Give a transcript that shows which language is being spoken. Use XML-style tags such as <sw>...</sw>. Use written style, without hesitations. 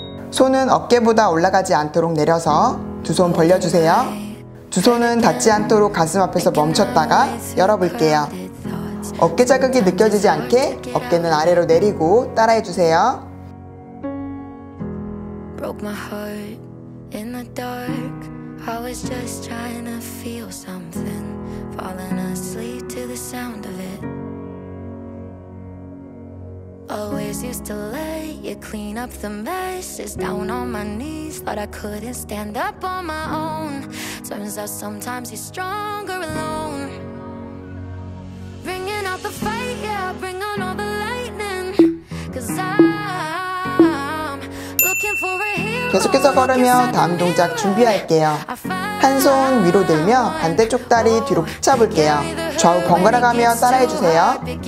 <ko>손은 어깨보다 올라가지 않도록 내려서 두 손 벌려주세요. 두 손은 닿지 않도록 가슴 앞에서 멈췄다가 열어볼게요. 어깨 자극이 느껴지지 않게 어깨는 아래로 내리고 따라해주세요.</ko> <en>Broke my heart in the dark. I was just trying to feel something. Falling asleep to the sound of it. Always used to let you clean up the messes. Down on my knees, thought I couldn't stand up on my own. Turns out sometimes you're stronger alone. Bringing out the fight, yeah, bring on all the lightning. Cause I'm looking for a</en> <ko>계속해서 걸으며 다음 동작 준비할게요. 한 손 위로 들며 반대쪽 다리 뒤로 휙 잡을게요. 좌우 번갈아가며 따라해주세요.</ko>